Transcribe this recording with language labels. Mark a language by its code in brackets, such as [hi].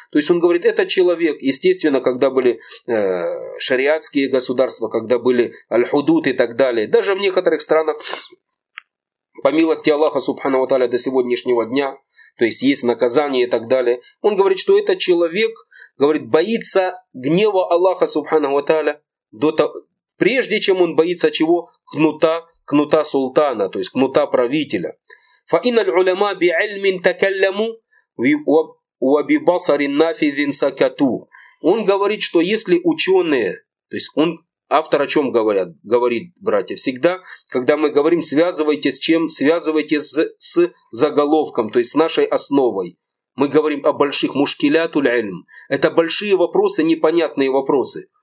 [ru] То есть он говорит, этот человек, естественно, когда были шариатские государства, когда были аль-худут и так далее, даже в некоторых странах, по милости Аллаха Субхану ва Тааля до сегодняшнего дня, то есть наказание и так далее, он говорит, что этот человек говорит, боится гнева Аллаха Субхану ва Тааля до того, прежде чем он боится чего? Кнута, кнута султана, то есть кнута правителя. [ar] فإن العلماء بعلم تكلموا وببصر نافذ سكتوا. [ru] Он говорит, что если ученые, то есть он, автор о чем говорят, говорит, братья, всегда, когда мы говорим, связывайте с чем? Связывайте с заголовком, то есть с нашей основой. Мы говорим о больших мушкилятуль-ильм. Это большие вопросы, непонятные вопросы.